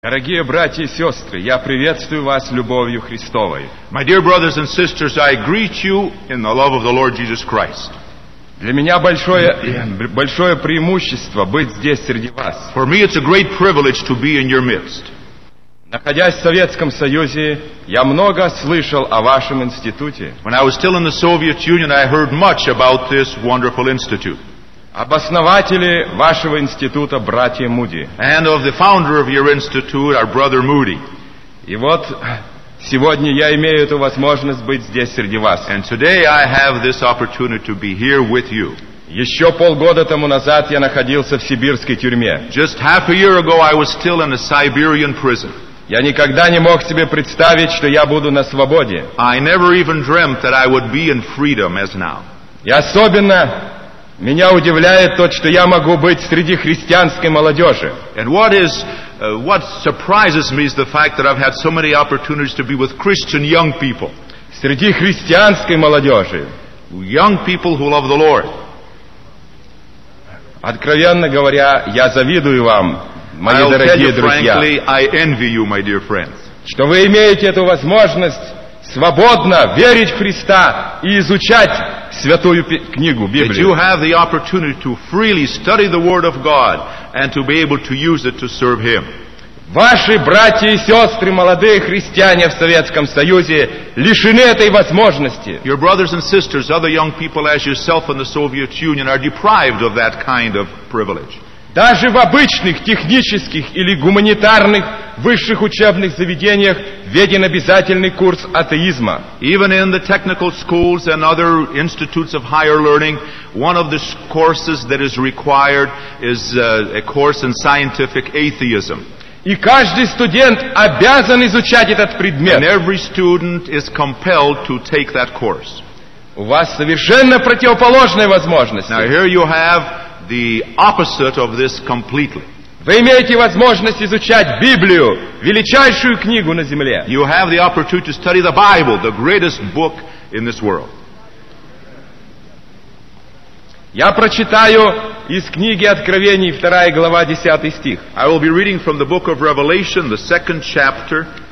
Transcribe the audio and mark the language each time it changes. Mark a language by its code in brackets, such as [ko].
[ru] Дорогие братья и сестры, я приветствую вас любовью Христовой. [en] My dear brothers and sisters, I greet you in the love of the Lord Jesus Christ. [ru] Для меня большое преимущество быть здесь среди вас. [en] For me, it's a great privilege to be in your midst. [ru] Находясь в Советском Союзе, я много слышал о вашем институте. [en] When I was still in the Soviet Union, I heard much about this wonderful institute. [ru] Обоснователи вашего института, братья Муди. [en] And of the founder of your institute, our brother Moody. [ru] И вот сегодня я имею эту возможность быть здесь среди вас. [en] And today I have this opportunity to be here with you. [ru] Еще полгода тому назад я находился в сибирской тюрьме. [en] Just half a year ago, I was still in a Siberian prison. [ru] Я никогда не мог себе представить, что я буду на свободе. [en] I never even dreamt that I would be in freedom as now. [ru] И особенно меня удивляет то, что я могу быть среди христианской молодежи. [en] And what surprises me is the fact that I've had so many opportunities to be with Christian young people. [ru] Среди христианской молодежи. [en] Young people who love the Lord. [ru] Откровенно говоря, я завидую вам, мои [en] I'll [ru] дорогие [en] tell you [ru] друзья. [en] Frankly, I envy you, my dear friends. [ru] Что вы имеете эту возможность свободно верить в Христа и изучать Святую книгу, Библию. [en] That you have the opportunity to freely study the Word of God and to be able to use it to serve Him. [ru] Ваши братья и сестры, молодые христиане в Советском Союзе, лишены этой возможности. [en] Your brothers and sisters, other young people as yourself in the Soviet Union, are deprived of that kind of privilege. [ru] Даже в обычных технических или гуманитарных высших учебных заведениях введен обязательный курс атеизма. [en] Even in the technical schools and other institutes of higher learning, one of the courses that is required is a course in scientific atheism. [ru] И каждый студент обязан изучать этот предмет. [en] And every student is compelled to take that course. [ru] У вас совершенно противоположная возможность. [en] Now here you have the opposite of this completely. [ru] Вы имеете возможность изучать Библию, величайшую книгу на земле. [en] You have the opportunity to study the Bible, the greatest book in this world. [ru] Я прочитаю из книги Откровений, 2 глава, 10 стих. [en] I will be reading from the book of Revelation, the second chapter.